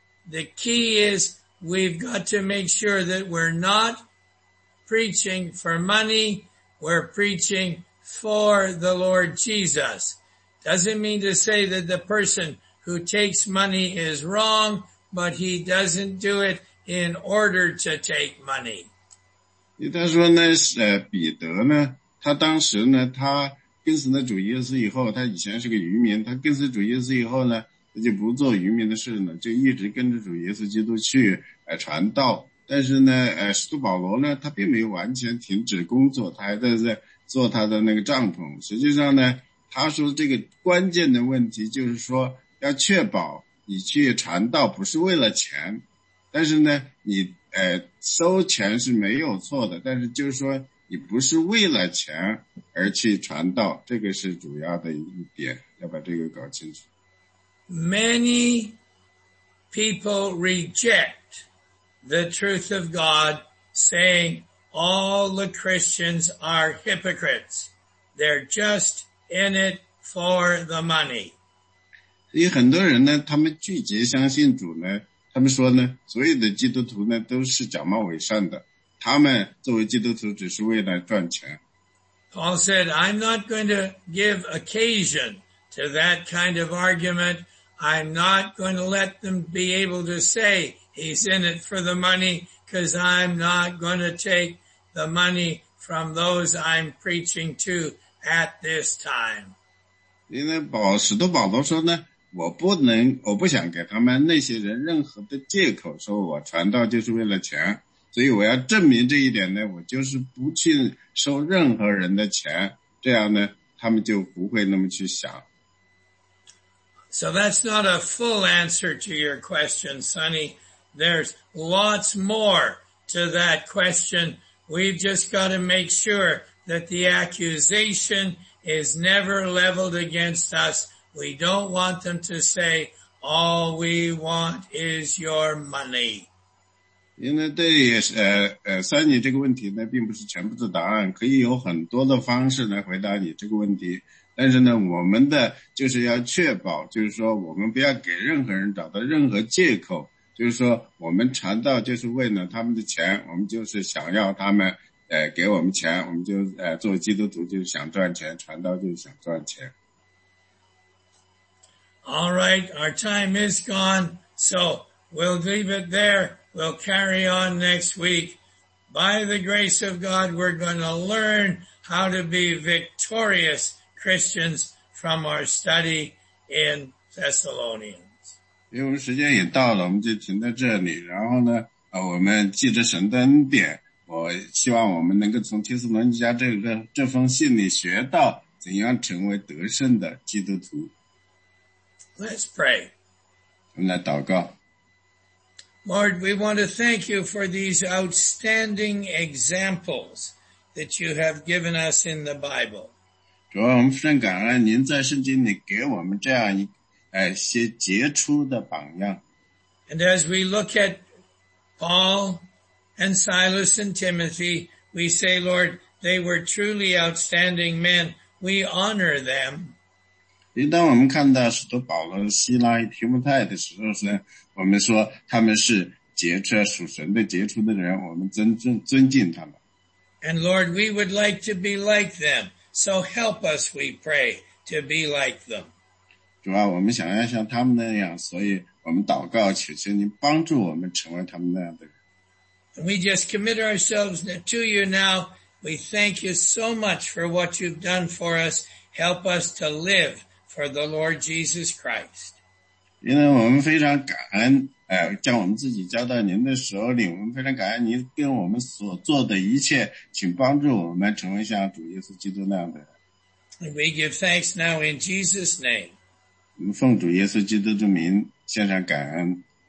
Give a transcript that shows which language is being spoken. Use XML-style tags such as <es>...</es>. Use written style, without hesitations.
<en>The key is,we've got to make sure that we're not preaching for money. We're preaching for the Lord Jesus. Doesn't mean to say that the person who takes money is wrong, but he doesn't do it in order to take money.</en> <zh>他说呢，彼得呢，他当时呢，他跟随了主耶稣以后，他以前是个渔民，他跟随主耶稣以后呢，就不做渔民的事呢，就一直跟着主耶稣基督去传道。但是呢，使徒保罗呢，他并没有完全停止工作，他还在做他的那个帐篷。实际上呢，他说这个关键的问题就是说，要确保你去传道不是为了钱，但是呢，你收钱是没有错的，但是就是说你不是为了钱而去传道，这个是主要的一点，要把这个搞清楚。</zh> <en>Many people reject the truth of God, saying all the Christians are hypocrites. They're just in it for the money.</en> <zh>所以很多人呢，他们拒绝相信主呢，他们说呢，所有的基督徒呢都是假冒伪善的，他们作为基督徒只是为了赚钱。</zh> <en>Paul said, I'm not going to give occasion to that kind of argument. I'm not going to let them be able to say he's in it for the money because I'm not going to take the money from those I'm preaching to at this time.</en> <zh>因为使徒保罗说呢，我不想给他们那些人任何的借口，说我传道就是为了钱，所以我要证明这一点呢，我就是不去收任何人的钱，这样呢，他们就不会那么去想。</zh> <en>So that's not a full answer to your question, Sonny. There's lots more to that question. We've just got to make sure that the accusation is never leveled against us. We don't want them to say, all we want is your money.</en> <zh>因为对Sonny 这个问题呢并不是全部的答案，可以有很多的方式来回答你这个问题。但是呢，我们的就是要确保，就是说我们不要给任何人找到任何借口，就是说我们传道就是为了他们的钱，我们就是想要他们给我们钱，我们就做基督徒就是想赚钱，传道就是想赚钱。</zh> <en>All right, our time is gone, so we'll leave it there. We'll carry on next week. By the grace of God, we're going to learn how to be victorious Christians from our study in Thessalonians.</en> <zh>因为时间也到了，我们就停在这里。然后呢，我们记着神的恩典。我希望我们能够从帖撒罗尼迦这封信里学到怎样成为得胜的基督徒。</zh> <en>Let's pray.</en> <zh>我们来祷告。</zh> <en>Lord, we want to thank you for these outstanding examples that you have given us in the Bible.</en> <zh>主啊，我们非常感恩您在圣经里给我们这样一些杰出的榜样。</zh> <en>And as we look at Paul and Silas and Timothy, we say, Lord, they were truly outstanding men. We honor them.</en> <zh>因当我们看到使徒保罗、希拉、提摩太的时候呢，我们说他们是杰出属神的杰出的人，我们尊敬他们。</zh> <en>And Lord, we would like to be like them. So help us, we pray, to be like them.</en> <zh>主啊，我们想要像他们那样，所以我们祷告祈求您帮助我们成为他们那样的人。</zh> <en>We just commit ourselves to you now. We thank you so much for what you've done for us. Help us to live for the Lord Jesus Christ.</en> <zh>因为我们非常感恩将我们自己交到您的手里，我们非常感恩您跟我们所做的一切，请帮助我们成为像主耶稣基督那样的人。</zh> <en>We give thanks now in Jesus' name.</en> <zh>我们奉主耶稣基督的名献上感恩。</zh>